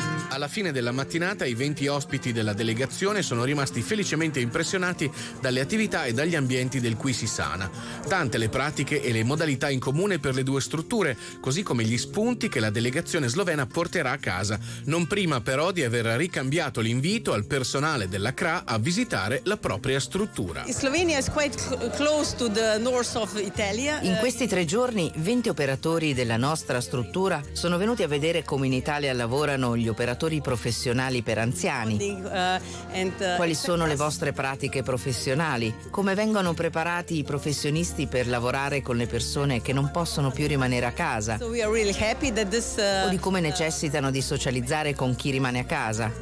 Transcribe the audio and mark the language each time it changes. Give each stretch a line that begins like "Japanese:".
Italian: Alla fine della mattinata i 20 ospiti della delegazione sono rimasti felicemente impressionati dalle attività e dagli ambienti del Qui si sana. Tante le pratiche e le modalità in comune per le due strutture, così come gli spunti che la delegazione slovena porterà a casa, non prima però di aver ricambiato l'invito al personale della CRA a visitare la propria struttura.
English: Slovenia is quite close to the north of Italia.
Italian: In questi tre giorni 20 operatori della nostra struttura sono venuti a vedere come in Italia lavorano gli operatori professionali per anziani, quali sono le vostre pratiche professionali, come vengono preparati i professionisti per lavorare con le persone che non possono più rimanere a casa, o di come necessitano di socializzare con chi rimane a casa.